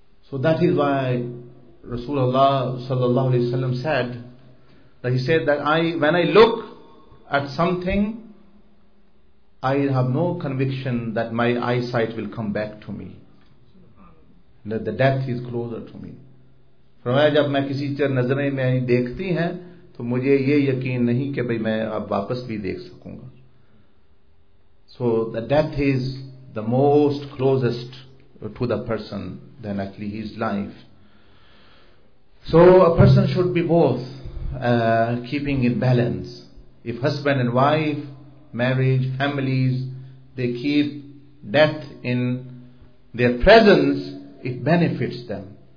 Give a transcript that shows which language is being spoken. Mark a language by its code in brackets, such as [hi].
[en] So that is why Rasulullah sallallahu alaihi wasallam said that, he said that when I look at something, I have no conviction that my eyesight will come back to me, that the death is closer to me. [ur] فرمایا جب میں کسی چیز نظریں میں دیکھتی ہیں تو مجھے یہ یقین نہیں کہ بھئی میں اب واپس بھی دیکھ سکوں گا. [en] So the death is the most closest to the person than actually his life. So a person should be both keeping in balance. If husband and wife, marriage, families, they keep death in their presence, it benefits them.